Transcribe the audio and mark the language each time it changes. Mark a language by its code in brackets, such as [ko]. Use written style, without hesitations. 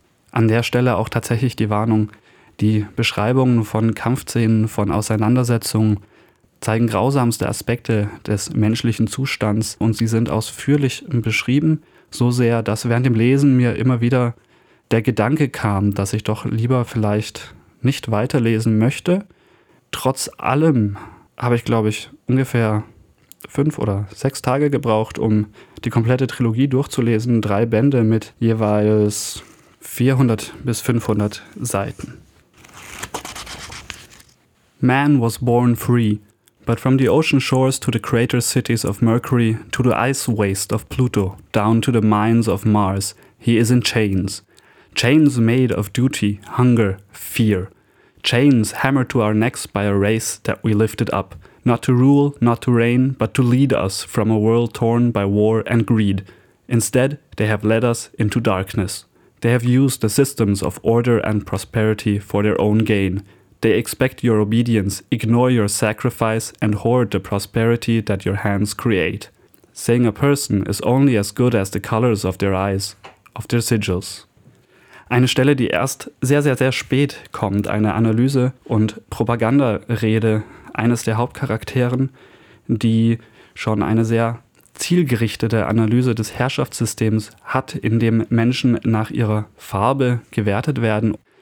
[de] An der Stelle auch tatsächlich die Warnung, die Beschreibungen von Kampfszenen, von Auseinandersetzungen zeigen grausamste Aspekte des menschlichen Zustands und sie sind ausführlich beschrieben, so sehr, dass während dem Lesen mir immer wieder der Gedanke kam, dass ich doch lieber vielleicht nicht weiterlesen möchte. Trotz allem habe ich, glaube ich, ungefähr 5 oder 6 Tage gebraucht, um die komplette Trilogie durchzulesen, 3 Bände mit jeweils 400 bis 500 Seiten. [en] Man was born free, but from the ocean shores to the crater cities of Mercury, to the ice waste of Pluto, down to the mines of Mars, he is in chains. Chains made of duty, hunger, fear. Chains hammered to our necks by a race that we lifted up, not to rule, not to reign, but to lead us from a world torn by war and greed. Instead, they have led us into darkness. They have used the systems of order and prosperity for their own gain. They expect your obedience, ignore your sacrifice, and hoard the prosperity that your hands create. Saying a person is only as good as the colors of their eyes, of their sigils. [de] Eine Stelle, die erst sehr, sehr, sehr spät kommt, eine Analyse- und Propagandarede eines der Hauptcharakteren, die schon eine sehr zielgerichtete Analyse des Herrschaftssystems hat, in dem Menschen nach ihrer Farbe gewertet werden.